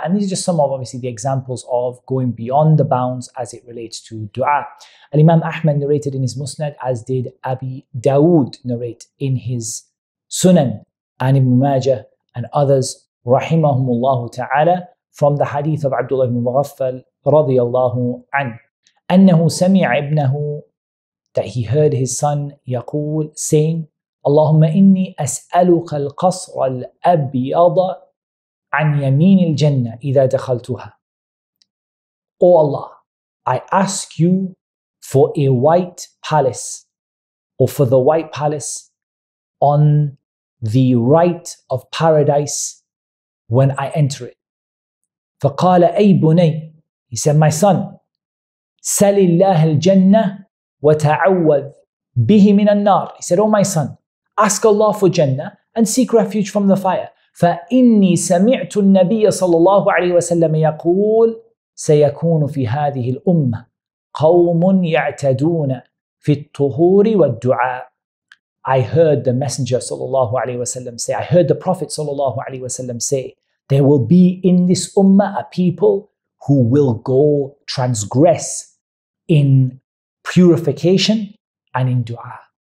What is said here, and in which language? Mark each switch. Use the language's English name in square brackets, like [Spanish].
[English] And these are just some of, obviously, the examples of going beyond the bounds as it relates to dua. Al-Imam Ahmad narrated in his Musnad, as did Abi Dawood narrate in his Sunan, and Ibn Majah and others, rahimahumullahu ta'ala, from the hadith of Abdullah ibn Mughaffal, [Arabic] رضي الله عنه أنه سمع ابنه [English] that he heard his son [Arabic] يقول [English] saying [Arabic] اللهم إني أسألك القصر الأبيض عن يمين الجنة إذا دخلتها. [English] O Allah, I ask you for a white palace or for the white palace on the right of paradise when I enter it. [Arabic] فقال أي بني, [English] he said, my son, [Arabic] سل الله الجنة وتعوذ به من النار. [English] He said, oh my son, ask Allah for Jannah and seek refuge from the fire. [Arabic] فإني سمعت النبي صلى الله عليه وسلم يقول سيكون في هذه الأمة قوم يعتدون في الطهور والدعاء. [English] I heard the Messenger [Arabic] صلى الله عليه وسلم [English] say, I heard the Prophet صلى الله عليه وسلم say, there will be in this Ummah a people who will go transgress in purification and in dua.